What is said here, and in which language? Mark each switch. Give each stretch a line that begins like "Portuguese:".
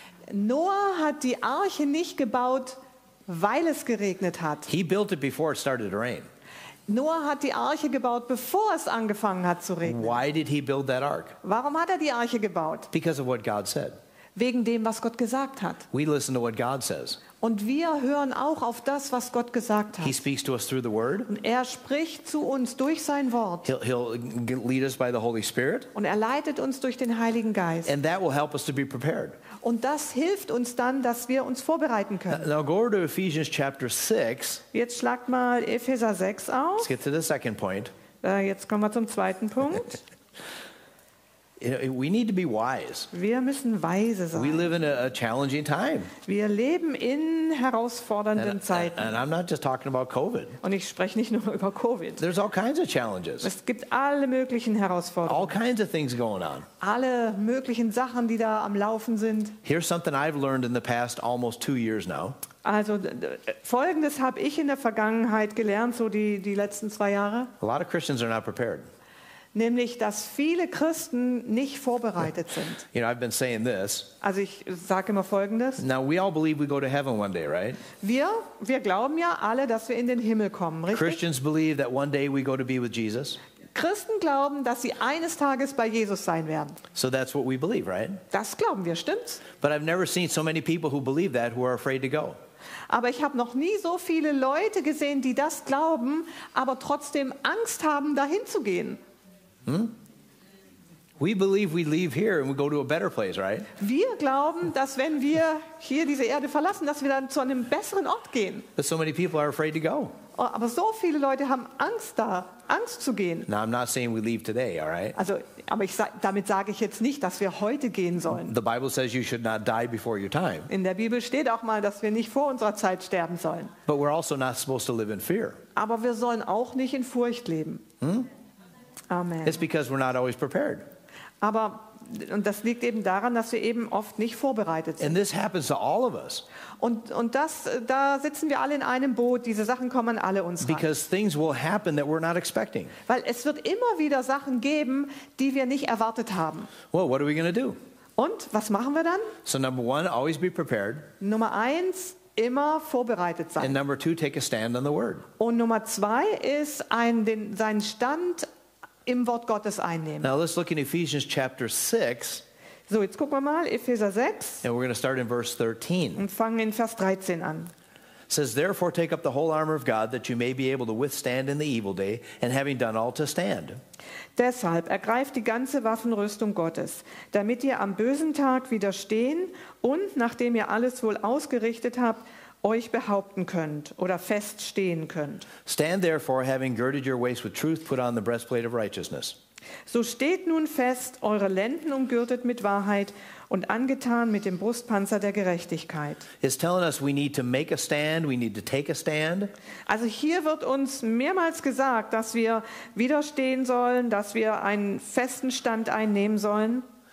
German: Noah hat die Arche nicht gebaut, weil es geregnet hat.
English: He built it before it started to rain.
German: Noah hat die Arche gebaut, bevor es angefangen hat zu regnen.
English: Why did he build that ark?
German: Warum hat er die Arche gebaut?
English: Because of what God said.
German: Wegen dem, was Gott gesagt hat.
English: We listen to what God says.
German: Und wir hören auch auf das, was Gott gesagt hat.
English: He speaks to us through the word.
German: Und er spricht zu uns durch sein Wort.
English: He'll lead us by the Holy Spirit.
German: Und er leitet uns durch den Heiligen Geist.
English: And that will help us to be prepared.
German: Und das hilft uns dann, dass wir uns vorbereiten können.
English: Now go to Ephesians chapter 6.
German: Jetzt schlagt mal Epheser 6 auf.
English: Let's get to the second point.
German: Jetzt kommen wir zum zweiten Punkt.
English: We need to be wise.
German: Wir müssen weise sein.
English: We live in a challenging time.
German: Wir leben in herausfordernden Zeiten.
English: And I'm not just talking about COVID.
German: Und ich spreche nicht nur über COVID.
English: There's all kinds of challenges.
German: Es gibt alle möglichen Herausforderungen.
English: All kinds of things going on.
German: Alle möglichen Sachen, die da am Laufen sind.
English: Here's something I've learned in the past almost 2 years now.
German: Also Folgendes habe ich in der Vergangenheit gelernt, so die letzten 2 Jahre.
English: A lot of Christians are not prepared.
German: Nämlich, dass viele Christen nicht vorbereitet sind.
English: You know, I've been saying this.
German: Also ich sage immer Folgendes.
English: Now we all believe we go to heaven one day, right?
German: Wir glauben ja alle, dass wir in den Himmel kommen, richtig?
English: Christians believe that one day we go to be with Jesus.
German: Christen glauben, dass sie eines Tages bei Jesus sein werden.
English: So that's what we believe, right?
German: Das glauben wir, stimmt's?
English: But I've never seen so many people who believe that who are afraid to go.
German: Aber ich habe noch nie so viele Leute gesehen, die das glauben, aber trotzdem Angst haben, dahin zu gehen.
English: We believe we leave here and we go to a better place, right?
German: Wir glauben, dass wenn wir hier diese Erde verlassen, dass wir dann zu einem besseren Ort gehen.
English: But so many people are afraid to go.
German: Aber so viele Leute haben Angst da, Angst zu gehen.
English: Now I'm not saying we leave today, all right?
German: Also, aber damit sage ich jetzt nicht, dass wir heute gehen sollen.
English: The Bible says you should not die before your time.
German: In der Bibel steht auch mal, dass wir nicht vor unserer Zeit sterben sollen.
English: But we're also not supposed to live in fear.
German: Aber wir sollen auch nicht in Furcht leben.
English: Amen. It's because we're not always prepared.
German: Aber und das liegt eben daran, dass wir eben oft nicht vorbereitet sind.
English: And this happens to all of us.
German: Und das, da sitzen wir alle in einem Boot. Diese Sachen kommen an alle uns ran.
English: Because things will happen that we're not expecting.
German: Weil es wird immer wieder Sachen geben, die wir nicht erwartet haben.
English: Well, what are we going to do?
German: Und was machen wir dann?
English: So number one, always be prepared.
German: Nummer eins. Immer vorbereitet sein.
English: And number two, take a stand on the word.
German: Und Nummer zwei ist seinen Stand im Wort Gottes einnehmen.
English: Now let's look in Ephesians chapter 6.
German: So, jetzt gucken wir mal, Epheser 6.
English: And we're going to start in verse 13.
German: Und fangen in Vers 13 an.
English: It says, therefore take up the whole armor of God, that you may be able to withstand in the evil day, and having done all to stand.
German: Deshalb ergreift die ganze Waffenrüstung Gottes, damit ihr am bösen Tag widerstehen und nachdem ihr alles wohl ausgerichtet habt, euch behaupten könnt oder feststehen könnt.
English: Stand therefore, having girded your waist with truth, put on the breastplate of righteousness.
German: So steht nun fest, eure Lenden umgürtet mit Wahrheit und angetan mit dem Brustpanzer der Gerechtigkeit.
English: He's telling us we need to make a stand, we need to take a stand.
German: Also hier wird uns mehrmals gesagt, dass wir widerstehen sollen, dass wir einen festen Stand einnehmen sollen.